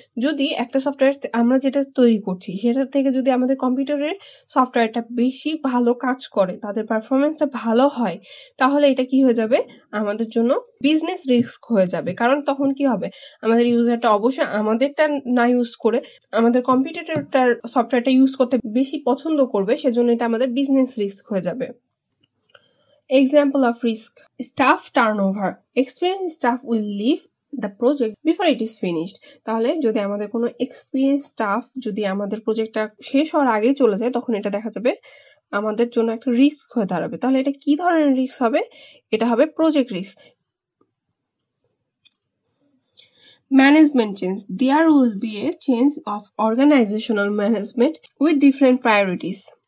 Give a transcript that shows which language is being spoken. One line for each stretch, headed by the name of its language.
Bangla: যদি একটা সফটওয়্যার আমরা যেটা তৈরি করছি সেটার থেকে যদি আমাদের কম্পিউটারের সফটওয়্যারটা বেশি ভালো কাজ করে, তাদের পারফরমেন্সটা ভালো হয়, তাহলে এটা কি হয়ে যাবে? আমাদের জন্য বিজনেস রিস্ক হয়ে যাবে। কারণ তখন কি হবে? আমাদের ইউজারটা অবশ্যই আমাদেরটা না ইউজ করে আমাদের কম্পিউটারটার সফটওয়্যারটা ইউজ করতে বেশি পছন্দ করবে, সেজন্য এটা আমাদের বিজনেস রিস্ক হয়ে যাবে।
English: Example of risk, staff turnover. Experienced staff will leave the project before it is finished.
Bangla: তাহলে যদি আমাদের কোনো এক্সপিরিয়েন্স স্টাফ যদি আমাদের প্রজেক্টটা শেষ হওয়ার আগে চলে যায়, তখন এটা দেখা যাবে আমাদের জন্য একটা রিস্ক হয়ে দাঁড়াবে। তাহলে এটা কি ধরনের রিস্ক হবে? এটা হবে project risk.
English: Management change, there will be a change of organisational management with different priorities.